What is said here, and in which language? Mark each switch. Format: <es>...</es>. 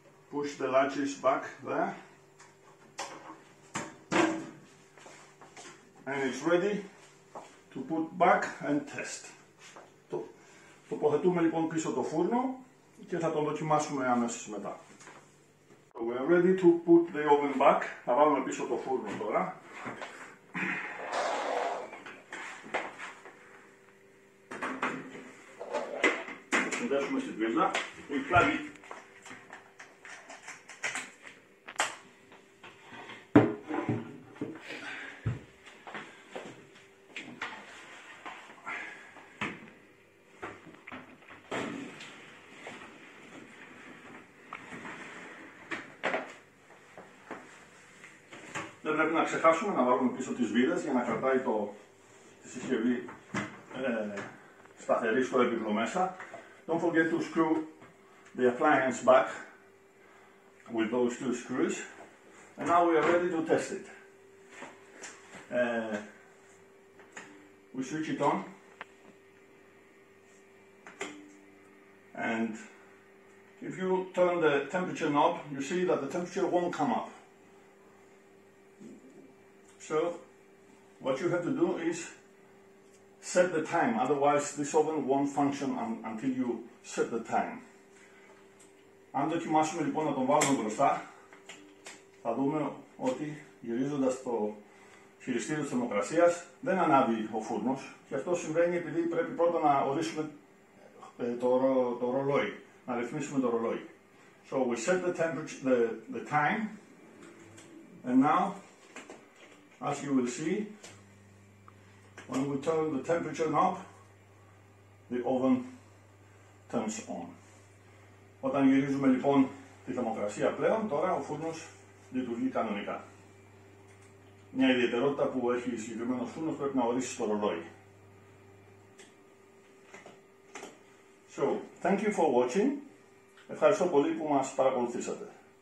<en>Push the latches back there, and it's ready to put back and test.</en> <el>Τοποθετούμε λοιπόν πίσω το φούρνο και θα το δοκιμάσουμε αμέσως μετά.</el> <en>We are ready to put the oven back.</en> <el>Θα βάλουμε πίσω το φούρνο τώρα. Συνδέσουμε στην πίζα. Η πλάγη. Δεν πρέπει να ξεχάσουμε να βάλουμε πίσω τις βίδες για να κρατάει τη συσκευή σταθερή στο επίπεδο μέσα.</el> <en>Don't forget to screw the appliance back with those two screws. And now we are ready to test it. We switch it on. And if you turn the temperature knob, you see that the temperature won't come up. So, what you have to do is set the time, otherwise this oven won't function until you set the time.</en> <el>Αν δοκιμάσουμε λοιπόν να τον βάλουμε μπροστά, θα δούμε ότι γυρίζοντας το χειριστήριο της θερμοκρασίας δεν ανάβει ο φούρνος και αυτό συμβαίνει επειδή πρέπει πρώτα να ορίσουμε το ρολόι, να ρυθμίσουμε το ρολόι.</el> <en>So, we set the temperature, the time, and now, as you will see, when we turn the temperature knob, the oven turns on.</en> <el>Όταν γυρίζουμε λοιπόν τη θερμοκρασία πλέον, τώρα ο φούρνος λειτουργεί κανονικά. Μια ιδιαιτερότητα που έχει συγκεκριμένο φούρνος πρέπει να ορίσει το ρολόι.</el> <en>So, thank you for watching.</en> <el>Ευχαριστώ πολύ που μας παρακολουθήσατε.</el>